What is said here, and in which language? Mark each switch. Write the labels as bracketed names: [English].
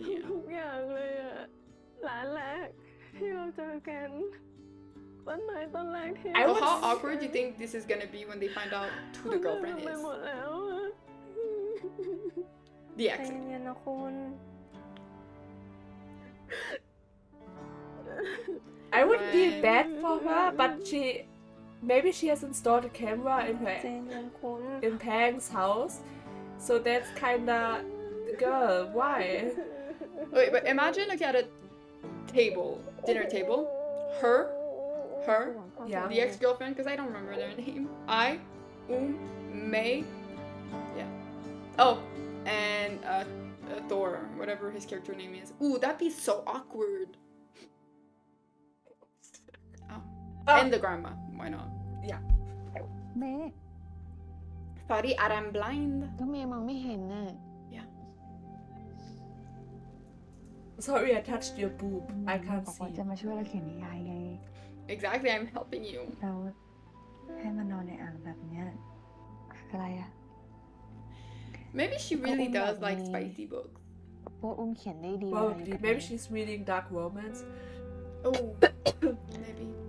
[Thai] ทุกอย่างเลยอ่ะร้านแรกที่เราเจอกันต้นไม้ต้นแรกที่ [English] I was how awkward do you think this is gonna be when they find out who the girlfriend is the accent [Thai] คุณ [English] I would be bad for her but sheMaybe she has installed a camera in Pang's house, so that's kinda girl. Why? Wait, but imagine like at a table, dinner table, her, yeah. The ex-girlfriend, because I don't remember their name. I, May, yeah. Oh, and Thor, whatever his character name is. Ooh, that'd be so awkward. Oh. And the grandma, why not? [Thai] เมย์ [English] sorry I'm blind [Thai] ก็เมย์มองไม่เห็นน่ะ [English] yeah sorry I touched your boob I can't see [Thai] จะมาช่วยเราเขียนนิยายไง [English] exactly I'm helping you [Thai] เราให้มันนอนในอ่างแบบเนี้ยอะไรอ่ะ [English] maybe she really does like spicy books [Thai] ว่าอุ้มเขียนได้ดี [English] เลย maybe she's reading dark romance oh maybe